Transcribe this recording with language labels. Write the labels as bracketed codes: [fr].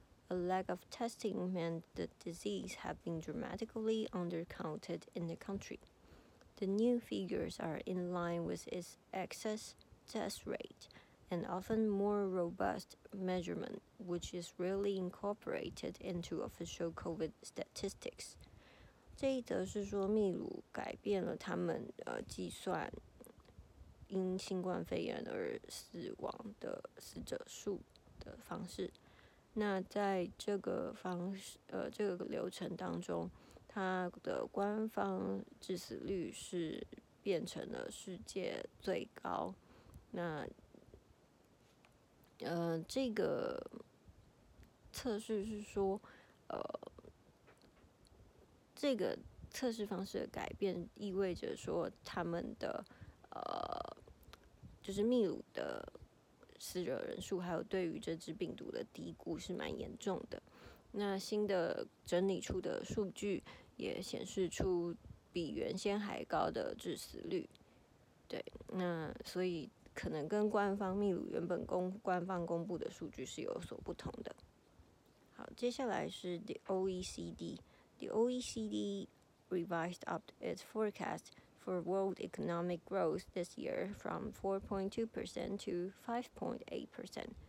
[en] A lack of testing meant the disease had been dramatically undercounted in the country. The new figures are in line with its excess test rate, an often more robust measurement, which is rarely incorporated into official COVID statistics. [zh] 这一则是说秘鲁改变了他们计算因新冠肺炎而死亡的死者数的方式。那在这个方式这个流程当中，他的官方致死率是变成了世界最高。那这个测试是说这个测试方式的改变意味着说他们的就是秘鲁的死者人数还有对于这支病毒的低估是蛮严重的。那新的整理出的数据也显示出比原先还高的致死率。对，那所以可能跟官方秘鲁原本官方公布的数据是有所不同的。好，接下来是 the OECD。 [en] The OECD revised up its forecast for world economic growth this year from 4.2% to 5.8%.